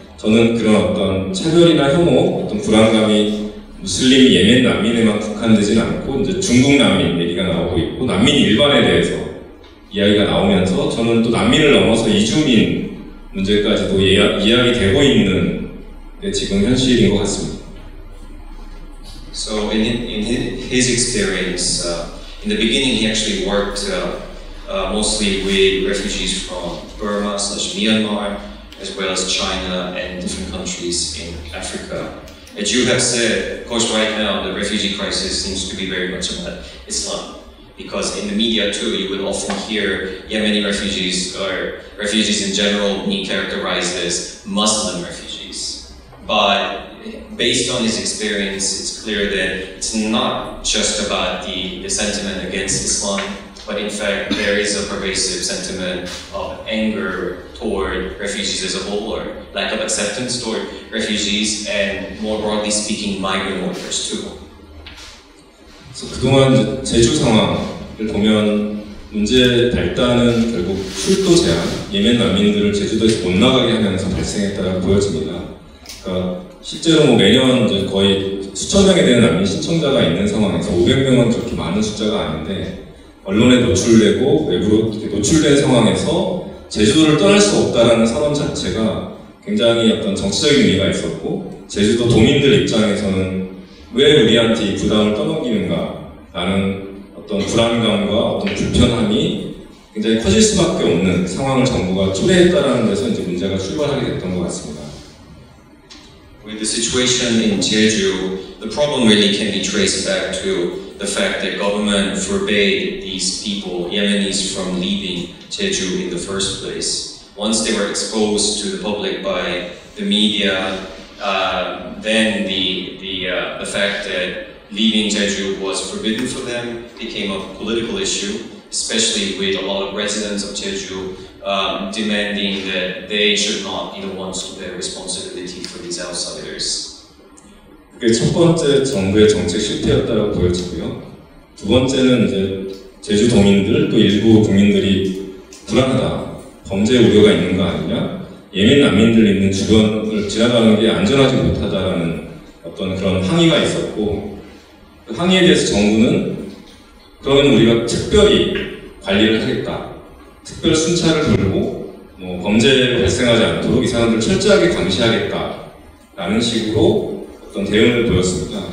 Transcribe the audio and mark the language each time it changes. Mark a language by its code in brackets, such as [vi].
[ko] 저는 그런 어떤 차별이나 혐오, 어떤 불안감이 무슬림 예멘 난민에만 국한되진 않고 이제 중국 난민 얘기가 나오고 있고 난민 일반에 대해서 이야기가 나오면서 저는 또 난민을 넘어서 이주민 문제까지도 이야기되고 있는 게 지금 현실인 것 같습니다. [en] So in his experience, in the beginning he actually worked mostly with refugees from Burma / Myanmar, as well as China and different countries in Africa. As you have said, of course right now the refugee crisis seems to be very much about Islam. Because in the media too, you will often hear Yemeni refugees or refugees in general being characterized as Muslim refugees. But based on his experience, it's clear that it's not just about the sentiment against Islam, but in fact there is a pervasive sentiment of anger toward refugees as a whole, or lack of acceptance toward refugees, and more broadly speaking, migrant workers too. [ko] 그동안 제주 상황을 보면 문제 발단은 결국 출도 제한, 예멘 난민들을 제주도에서 못 나가게 하면서 발생했다고 보여집니다. 그러니까 실제로 매년 거의 수천 명에 대한 난민 신청자가 있는 상황에서 500명은 그렇게 많은 숫자가 아닌데 언론에 노출되고 외부로 노출된 상황에서 제주도를 떠날 수 없다라는 선언 자체가 굉장히 어떤 정치적인 의미가 있었고 제주도 도민들 입장에서는 왜 우리한테 이 부담을 떠넘기는가 라는 어떤 불안감과 어떤 불편함이 굉장히 커질 수밖에 없는 상황을 정부가 초래했다라는 데서 이제 문제가 출발하게 됐던 것 같습니다. [en] With the situation in Jeju, the problem really can be traced back to the fact that government forbade these people, Yemenis, from leaving Jeju in the first place. Once they were exposed to the public by the media, then the fact that leaving Jeju was forbidden for them became a political issue, especially with a lot of residents of Jeju demanding that they should not be the ones to bear responsibility for these outsiders. [ko] 그게 첫 번째 정부의 정책 실패였다고 보여지고요. 두 번째는 이제 제주 도민들 또 일부 국민들이 불안하다, 범죄 우려가 있는 거 아니냐? 예멘 난민들 있는 주변을 지나가는 게 안전하지 못하다라는 어떤 그런 항의가 있었고 그 항의에 대해서 정부는 그러면 우리가 특별히 관리를 하겠다 특별 순찰을 돌고 뭐 범죄가 발생하지 않도록 이 사람들을 철저하게 감시하겠다 라는 식으로 어떤 대응을 보였습니다.